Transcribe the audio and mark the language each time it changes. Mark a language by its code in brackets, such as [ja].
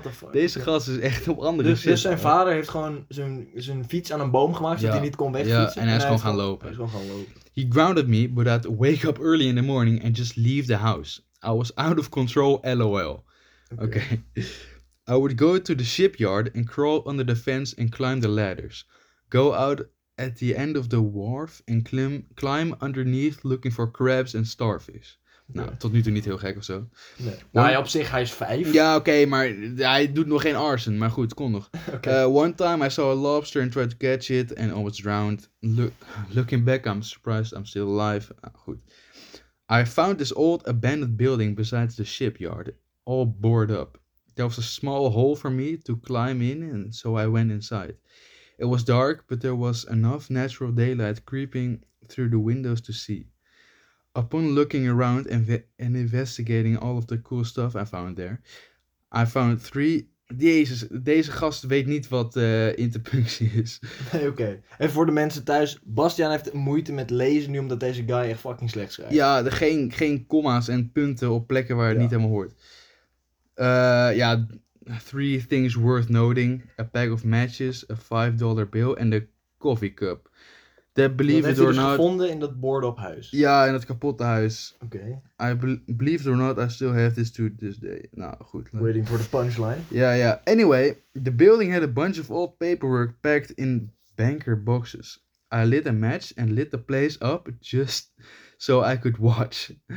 [nl] Deze gast is echt op andere zin. Dus zijn vader heeft gewoon zijn fiets aan een boom gemaakt, zodat hij niet kon wegfietsen. Ja, en hij is gewoon gaan lopen. [en] He grounded me, but I'd wake up early in the morning and just leave the house. I was out of control, lol. Okay. I would go to the shipyard and crawl under the fence and climb the ladders. Go out at the end of the wharf and climb underneath looking for crabs and starfish. [nl] Nou, tot nu toe niet heel gek of zo. Nee. Maar op zich, hij is 5. Ja, oké, maar hij doet nog geen arson. Maar goed, kon nog. Okay. [en] One time I saw a lobster and tried to catch it and almost drowned. Looking back, I'm surprised I'm still alive. [nl] Goed. [en] I found this old abandoned building beside the shipyard, all boarded up. There was a small hole for me to climb in, and so I went inside. It was dark, but there was enough natural daylight creeping through the windows to see. Upon looking around and investigating all of the cool stuff I found there, I found 3... [nl] Jezus, deze gast weet niet wat interpunctie is. Nee, oké. En voor de mensen thuis, Bastiaan heeft moeite met lezen nu omdat deze guy echt fucking slecht schrijft. Ja, geen comma's en punten op plekken waar het niet helemaal hoort. [en] Ja, 3 things worth noting. A pack of matches, a $5 bill [nl] en de [en] coffee cup. That believe it or not. [nl] Dat heeft hij gevonden in dat board op huis. Ja, in dat kapotte huis. Oké. Okay. [en] Believe it or not, I still have this to this day. [nl] Nou, goed. [en] Waiting for the punchline. Ja. Anyway, the building had a bunch of old paperwork packed in banker boxes. I lit a match and lit the place up just so I could watch.